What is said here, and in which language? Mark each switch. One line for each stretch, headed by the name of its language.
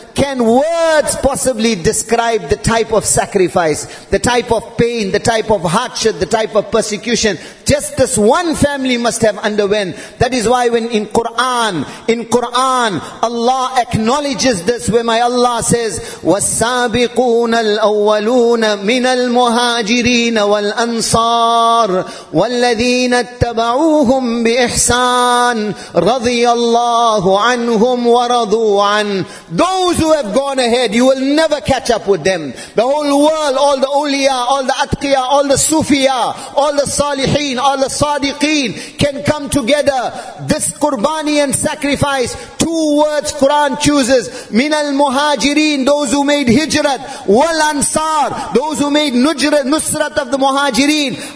English: Can words possibly describe the type of sacrifice, the type of pain, the type of hardship, the type of persecution? Just this one family must have underwent. That is why when in Quran, Allah acknowledges this, where my Allah says,
Arabic: وَالسَّابِقُونَ الْأَوَّلُونَ من المهاجرين والأنصار والذين اتبعوهم بإحسان رضي الله عنهم ورضوا عن.
English: Those who have gone ahead, you will never catch up with them. The whole world, all the awliya, all the atqiya, all the sufiya, all the salihin, all the sadiqeen can come together. This qurbani and sacrifice, two words Quran chooses,
Arabic: من المهاجرين,
English: those who made hijrat, wal ansar, those who made nusrat of the muhajirin.